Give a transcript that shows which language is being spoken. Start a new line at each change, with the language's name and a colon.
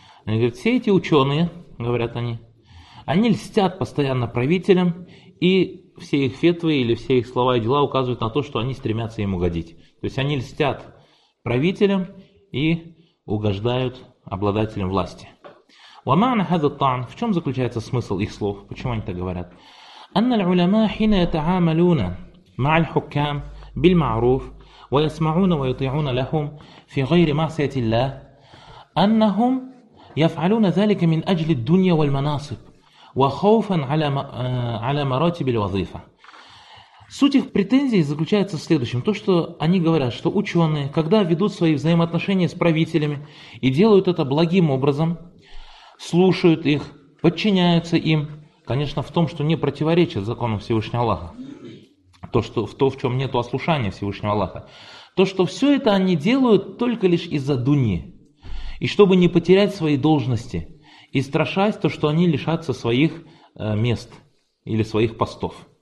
Russian: Они говорят, все эти ученые, говорят они льстят постоянно правителям, и все их фетвы или все их слова и дела указывают на то, что они стремятся им угодить. То есть они льстят правителям и угождают обладателям власти.
Arabic: ومعنى هذا الطعن
Russian: в чём заключается смысл их слов, почему они так говорят?
Arabic: أن العلماء حين يتعاملون مع الحكام بالمعروف ويسمعون ويطيعون لهم في غير معصية الله أنهم يفعلون ذلك من أجل الدنيا والمناصب وخوفا على مراتب الوظيفة.
Russian: Суть их претензий заключается в следующем. То, что они говорят, что ученые, когда ведут свои взаимоотношения с правителями и делают это благим образом, слушают их, подчиняются им, конечно, в том, что не противоречит закону Всевышнего Аллаха, в чем нет ослушания Всевышнего Аллаха, то, что все это они делают только лишь из-за дуньи, и чтобы не потерять свои должности, и страшась то, что они лишатся своих мест или своих постов.